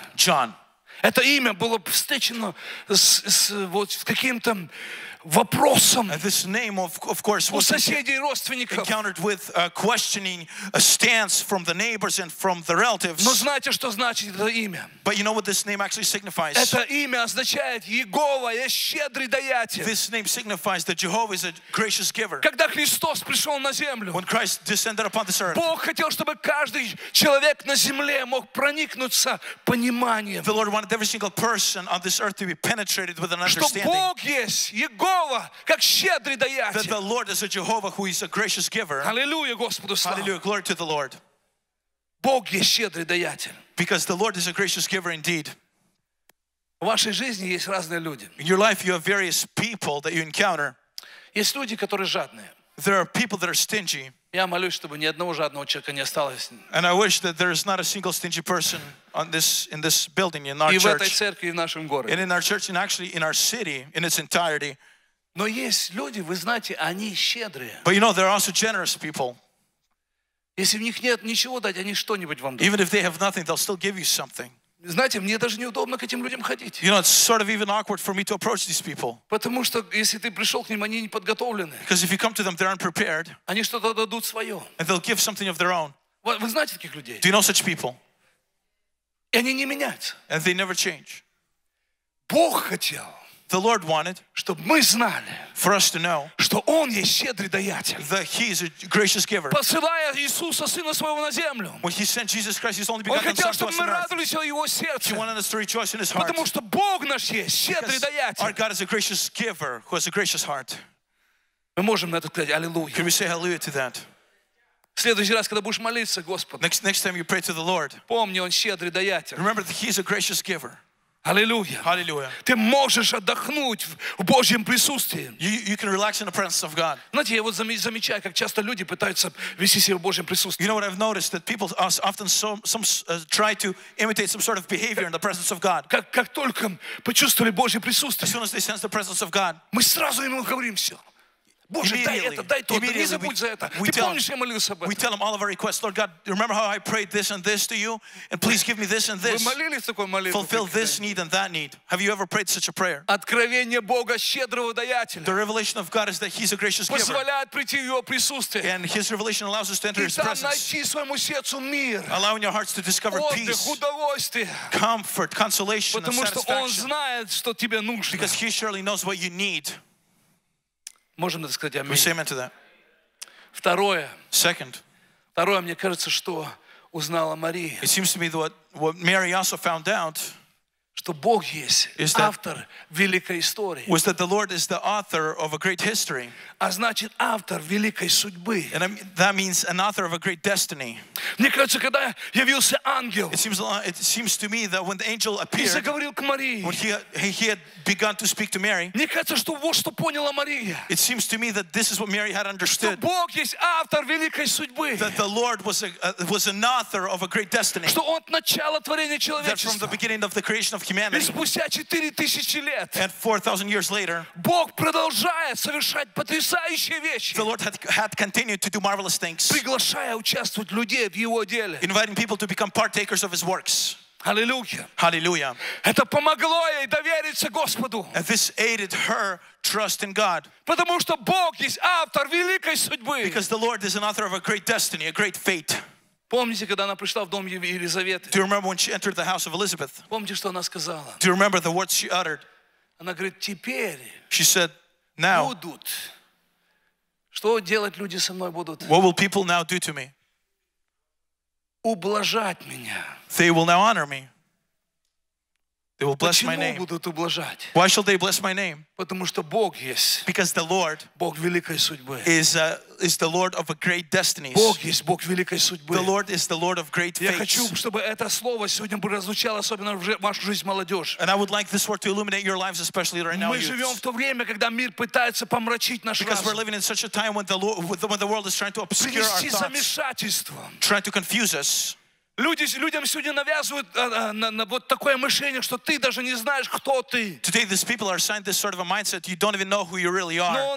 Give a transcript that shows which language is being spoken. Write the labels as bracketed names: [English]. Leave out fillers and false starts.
[English] John. [Russian] Это имя было встречено с вот с каким-то вопросом. [English] This name of course was [Russian] соседей, родственников. [English] Encountered with a questioning a stance from the neighbors and from the relatives. [Russian] Но знаете, что значит это имя? [English] But you know what this name actually signifies? [Russian] Это имя означает Иегова, я щедрый даятель. [English] This name signifies that Jehovah is a gracious giver. [Russian] Когда Христос пришел на землю, [English] when Christ descended upon this earth, [Russian] Бог хотел, чтобы каждый человек на земле мог проникнуться пониманием. [English] The Lord wanted every single person on this earth to be penetrated with an understanding. [Russian] Что Бог есть Иегова. [English] That the Lord is a Jehovah who is a gracious giver. [Russian] Hallelujah, Господу славу. [English] Hallelujah, glory to the Lord. [Russian] Бог есть щедрый даятель. [English] Because the Lord is a gracious giver indeed. [Russian] В вашей жизни есть разные люди. [English] In your life you have various people that you encounter. [Russian] Есть люди, которые жадные. [English] There are people that are stingy. [Russian] Я молюсь, чтобы ни одного жадного человека не осталось. [English] And I wish that there is not a single stingy person in this building, in our church. [Russian] И в этой церкви, в нашем городе. [English] And in our church, and actually in our city, in its entirety. [Russian] Но есть люди, вы знаете, они щедрые. [English] But you know, there are also generous people. [Russian] Если у них нет ничего дать, они что-нибудь вам дадут. [English] Even if they have nothing, they'll still give you something. [Russian] Знаете, мне даже неудобно к этим людям ходить. [English] You know, it's sort of even awkward for me to approach these people. [Russian] Потому что если ты пришел к ним, они не подготовлены. [English] Because if you come to them, they're unprepared. [Russian] Они что-то дадут свое. [English] And they'll give something of their own. [Russian] Вы знаете таких людей? [English] Do you know such people? [Russian] И они не меняются. [English] And they never change. [Russian] Бог хотел. [English] The Lord wanted. [Russian] Чтобы мы знали. [English] For us to know. [Russian] Что Он есть щедрый даятель. [English] That He is a gracious giver. [Russian] Посылая Иисуса Сына Своего на землю. [English] When He sent Jesus Christ, His only begotten Son, to us on earth. [Russian] Он хотел, чтобы мы радовались о Его сердце. [English] He wanted us to rejoice in His heart. [Russian] Потому что Бог наш есть щедрый даятель. [English] Our God is a gracious giver who has a gracious heart. [Russian] Мы можем на это сказать Аллилуйя. [English] Can we say Hallelujah to that? [Russian] В следующий раз, когда будешь молиться, Господь. [English] Next time you pray to the Lord. [Russian] Помни, Он щедрый даятель. [English] Remember that He is a gracious giver. [Russian] Аллилуйя. [English] Hallelujah. [Russian] Ты можешь отдохнуть в Божьем присутствии. [English] You can relax in the presence of God. [Russian] Знаете, я вот замечаю, как часто люди пытаются вести себя в Божьем присутствии. [English] You know what I've noticed? That people often try to imitate some sort of behavior in the presence of God. [Russian] Как только почувствовали Божье присутствие, [English] as soon as they sense the presence of God, [Russian] мы сразу ему говорим все. Боже, дай это, дай то, не забудь за это. Ты помнишь, я молился об этом? [English] We tell him all of our requests. Lord God, remember how I prayed this and this to you? And please give me this and this. Вы молились такой молитвой? Fulfill this need and that need. Have you ever prayed such a prayer? [Russian] Откровение Бога щедрого даятеля. [English] The revelation of God is that He's a gracious giver. [Russian] Позволяет прийти в Его присутствие. [English] And His revelation allows us to enter His presence. [Russian] И там найти своему сердцу мир. [English] Allowing your hearts to discover peace. [Russian] Отдых, удовольствие. [English] Comfort, consolation, and satisfaction. [Russian] Потому что Он знает, что тебе нужно. [English] Because He surely knows what you need. [Russian] Можем это сказать аминь. [English] We say amen to that. [Russian] Второе. [English] Second. [Russian] Второе, мне кажется, что узнала Мария. [English] It seems to me that what Mary also found out, [Russian] что Бог есть автор великой истории. [English] Was that the Lord is the author of a great history. [Russian] А значит, автор великой судьбы. [English] And that means an author of a great destiny. [Russian] Мне кажется, когда явился ангел, [English] it seems to me that when the angel appeared, [Russian] и заговорил к Марии, [English] when he had begun to speak to Mary, [Russian] мне кажется, что вот что поняла Мария. [English] It seems to me that this is what Mary had understood. [Russian] Что Бог есть автор великой судьбы. [English] That the Lord was an author of a great destiny. [Russian] Что от начала творения человечества. [English] That from the beginning of the creation of humanity. [Russian] И спустя 4000 лет. [English] And 4000 years later. [Russian] Бог продолжает совершать потрясающие вещи. [English] The Lord had continued to do marvelous things. [Russian] Приглашая участвовать людей. [English] Inviting people to become partakers of His works. Hallelujah. Hallelujah. [Russian] Это помогло ей довериться Господу. [English] And this aided her trust in God. [Russian] Потому что Бог есть автор великой судьбы. [English] Because the Lord is an author of a great destiny, a great fate. [Russian] Помните, когда она пришла в дом Елизаветы? [English] Do you remember when she entered the house of Elizabeth? [Russian] Помните, что она сказала? [English] Do you remember the words she uttered? [Russian] Она говорит, теперь. [English] She said, now. [Russian] Будут. Что делать люди со мной будут? [English] What will people now do to me? [Russian] Ублажать меня. [English] They will now honor me. They will bless [Russian] Почему [English] my name. [Russian] Будут ублажать? [English] Why shall they bless my name? [Russian] Потому что Бог есть. [English] Because the Lord. [Russian] Бог великой судьбы. [English] Is the Lord of a great destinies. [Russian] Бог есть Бог великой судьбы. [English] The Lord is the Lord of great fates. [Russian] Я хочу, чтобы это слово сегодня прозвучало особенно в вашу жизнь молодежь. [English] And I would like this word to illuminate your lives, especially right now. [Russian] Мы живем в то время, когда мир пытается помрачить наш разум. [English] Because we're living in such a time when the world is trying to obscure our thoughts. [Russian] Принести замешательство. [English] Trying to confuse us. [Russian] Людям сегодня навязывают вот такое мышление, что ты даже не знаешь, кто ты. [English] Today these people are assigned this sort of a mindset. You don't even know who you really are.